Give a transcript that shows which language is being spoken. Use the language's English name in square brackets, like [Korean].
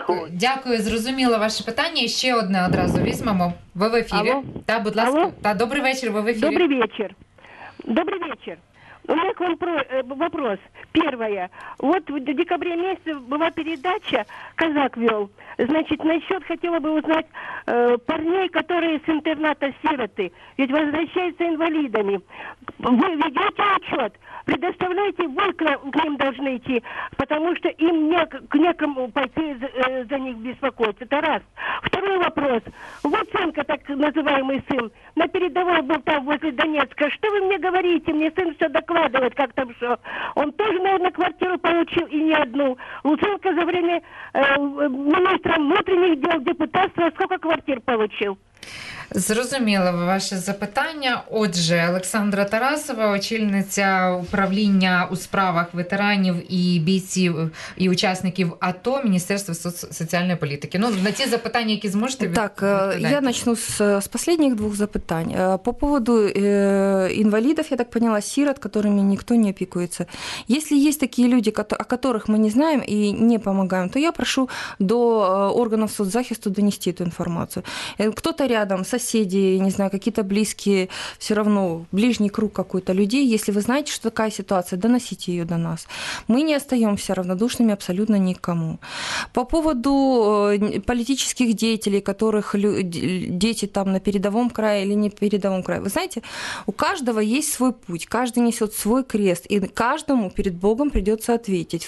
[Ukrainian] Дякую, зрозуміло ваше питання. І ще одне одразу візьмемо. Ви в ефірі. Алло? Та, будь ласка. Алло? Та, добрий вечір, ви в ефірі. Добрий вечір. [Russian] У меня к вам вопрос. Первое. Вот в декабре месяце была передача, казак вел. Значит, насчет хотела бы узнать парней, которые с интерната сироты, ведь возвращаются инвалидами. Вы ведете учет, предоставляете, вы к ним должны идти, потому что им некому пойти за них беспокоиться. Это раз. Второй вопрос. Луценко, так называемый сын, на передовой был там возле Донецка. Что вы мне говорите? Мне сын все докладывает, как там что. Он тоже, наверное, квартиру получил и не одну. Луценко за время министра внутренних дел депутатства сколько квартир получил? [Ukrainian] Зрозуміло ваше запитання. Отже, Олександра Тарасова, очільниця управління у справах ветеранів і бійців і учасників АТО Міністерства соціальної політики. Ну, на ті запитання, які зможете відповідати. Так, я почну з останніх двох запитань. [Russian] По поводу [Ukrainian] інвалідів, я так поняла, сирот, [Russian] которыми [Ukrainian] ніхто не опікується. Якщо є такі люди, [Russian] о которых [Ukrainian] ми не знаємо і не допомагаємо, то я прошу до органів соцзахисту донести ту інформацію. [Russian] Хто-то рядом, соседи, не знаю, какие-то близкие, все равно ближний круг какой-то людей. Если вы знаете, что такая ситуация, доносите ее до нас. Мы не остаемся равнодушными абсолютно никому. По поводу политических деятелей, которых дети там на передовом крае или не передовом крае. Вы знаете, у каждого есть свой путь, каждый несет свой крест, и каждому перед Богом придется ответить.